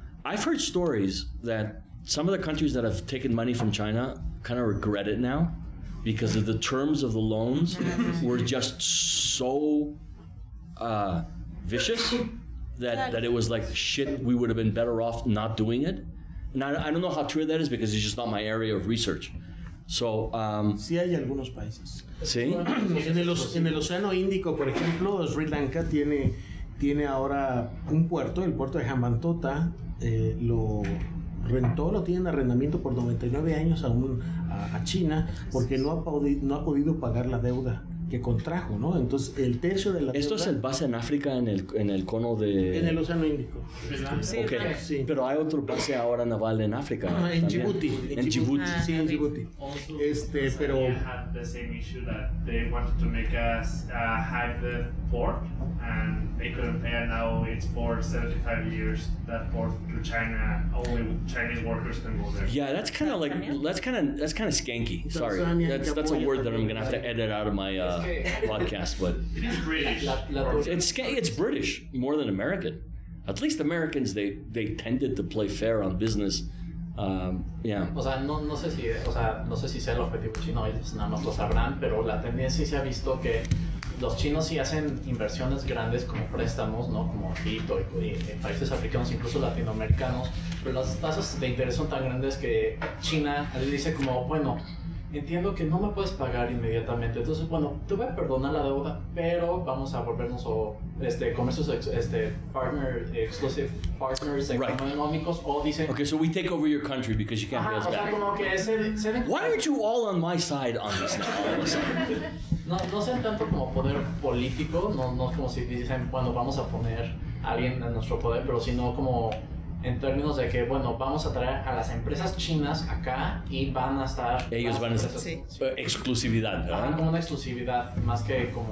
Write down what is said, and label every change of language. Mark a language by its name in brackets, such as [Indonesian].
[English] I've heard stories that some of the countries that have taken money from China kind of regret it now because of the terms of the loans were just so vicious. That it was like, shit, we would have been better off not doing it. And I don't know how true that is because it's just not my area of research. So, [Spanish] sí hay algunos países. Sí. En el Océano Índico, por ejemplo, Sri Lanka tiene ahora un puerto, el puerto de Hambantota, lo rentó, lo tiene en arrendamiento por 99 años a China porque no ha podido pagar la deuda que contrajo, ¿no? Entonces, el tercio de la... ¿Esto es el base en África, en el cono de...? En el Océano Índico. Sí, okay. Sí. Pero hay otro base ahora naval en África. No, en Djibouti. En Djibouti. Djibouti. Sí, en Djibouti. Pero... [English] They had the same issue that they wanted to make a hive port, and they couldn't pay, and now it's for 75 years, that port to China, only Chinese workers can go there. Yeah, that's kind of like... That's kind of skanky. Sorry. That's a word that I'm going to have to edit out of my... podcast, but it's British more than American. At least Americans, they tended to play fair on business. [Spanish] O sea, no sé si sea el objetivo chino, ellos no lo sabrán, pero la tendencia se ha visto que los chinos sí hacen inversiones grandes como préstamos, ¿no? Como Quito y en países africanos, incluso latinoamericanos, pero las tasas de interés son tan grandes que China les dice como, bueno, entiendo que no me puedes pagar inmediatamente, entonces bueno, te voy a perdonar la deuda, pero vamos a volvernos o comercios [English] exclusive partners [Spanish] económicos, [English] right. [Spanish] O dicen, [English] okay, so we take over your country because you can't pay us back. [Spanish] O sea, como que [English] why aren't you all on my side on this now? [Spanish] no sean tanto como poder político, no es como si dicen, bueno, vamos a poner a alguien en nuestro poder, pero sino como en términos de que, bueno, vamos a traer a las empresas chinas acá y van a estar... Ellos van a estar... Sí. Exclusividad, ¿verdad? Van como una exclusividad, más que como...